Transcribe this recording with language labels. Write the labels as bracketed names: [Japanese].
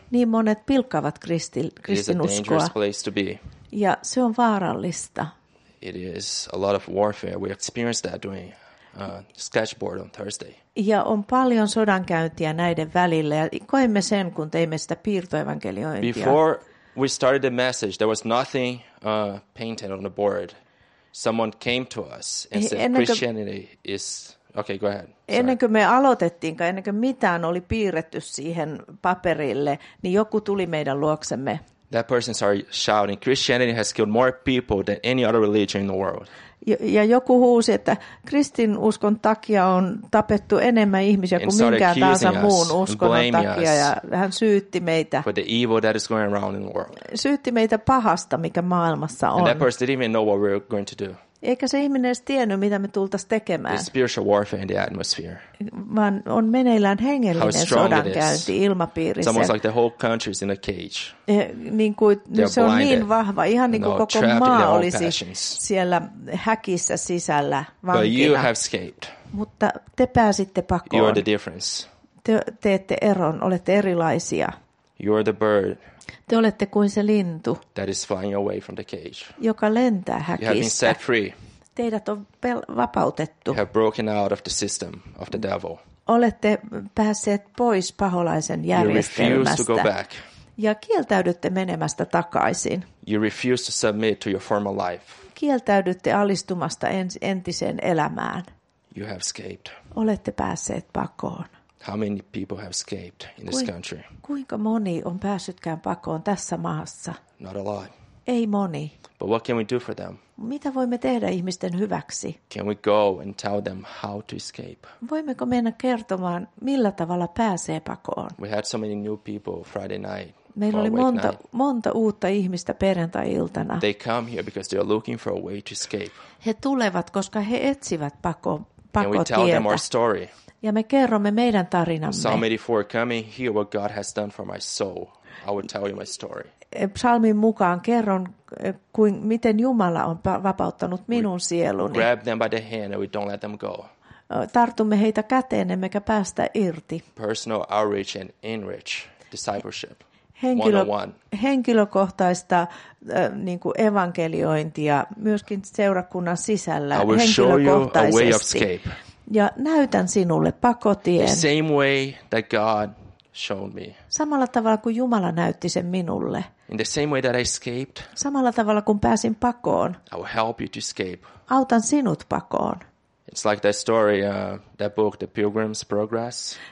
[Finnish] Niin monet pilkkaavat kristinuskoa. [English] It is a dangerous place to be. [Finnish] Ja se on vaarallista. [English] It is a lot of warfare. We experienced that doing sketchboard on Thursday. [Finnish] Ja on paljon sodankäyntiä näiden välillä ja koimme sen, kun teimme sitä piirtoevankeliointia. [English] Before we started the message, there was nothing painted on the board. Someone came to us and said Christianity is okay, go ahead. Sorry. [Finnish] Ennen kuin me aloitettiin, ennen kuin mitään oli piirretty siihen paperille, niin joku tuli meidän luoksemme. [English] That person started shouting, Christianity has killed more people than any other religion in the world. [Finnish] Ja joku huusi, että kristinuskon takia on tapettu enemmän ihmisiä kuin minkään tahansa muun uskonnon takia. Ja hän syytti meitä. [English] For the evil that is going around in the world. [Finnish] Syytti meitä pahasta, mikä maailmassa on. [English] And that person didn't even know what we were going to do. [Finnish] Eikä se ihminen edes tiennyt, mitä me tultaisiin tekemään. [English] It's spiritual warfare in the atmosphere. [Finnish] Vaan on meneillään hengellinen sodankäynti ilmapiirissä. [English] It's almost like the whole country is in a cage. [Finnish] Niin kuin, se on niin vahva, ihan niin kuin koko maa olisi siellä häkissä sisällä vankina. [English] But you have escaped. [Finnish] Mutta te pääsitte pakoon. [English] You are the difference. [Finnish] Te teette eron, olette erilaisia. [English] You are the bird. [Finnish] Te olette kuin se lintu, [English] that is flying away from the cage. [Finnish] Joka lentää häkistä. [English] You have been set free. [Finnish] Teidät on vapautettu. [English] You have broken out of the system of the devil. [Finnish] Olette päässeet pois paholaisen järjestelmästä. [English] You refuse to go back. [Finnish] Ja kieltäydytte menemästä takaisin. [English] You refuse to submit to your former life. [Finnish] Kieltäydytte alistumasta entiseen elämään. [English] You have escaped. [Finnish] Olette päässeet pakoon. [English] How many people have escaped in this country? [Finnish] Kuinka moni on päässytkään pakoon tässä maassa? [English] Not a lot. [Finnish] Ei moni. [English] But what can we do for them? [Finnish] Mitä voimme tehdä ihmisten hyväksi? [English] Can we go and tell them how to escape? [Finnish] Voimmeko mennä kertomaan, millä tavalla pääsee pakoon? [English] We had so many new people Friday night. [Finnish] Meillä oli monta uutta ihmistä perjantai-iltana. [English] They come here because they are looking for a way to escape. [Finnish] He tulevat, koska he etsivät pakotietä. [English] Can we tell them our story? [Finnish] Ja me kerromme meidän tarinamme. [English] Psalm 84, come and hear what God has done for my soul. I will tell you my story. [Finnish] Psalmin mukaan kerron, miten Jumala on vapauttanut minun sieluni. [English] Grab them by the hand and we don't let them go. [Finnish] Tartumme heitä käteen, emmekä päästä irti. [English] Personal outreach and enrich discipleship. [Finnish] Henkilökohtaista niin kuin evankeliointia myöskin seurakunnan sisällä henkilökohtaisesti. Ja näytän sinulle pakotien. [English] The same way that God showed me. [Finnish] Samalla tavalla kuin Jumala näytti sen minulle. [English] In the same way that I escaped. [Finnish] Samalla tavalla kuin pääsin pakoon. [English] I will help you to escape. [Finnish] Autan sinut pakoon. [English] It's like that story, that book, The Pilgrim's Progress.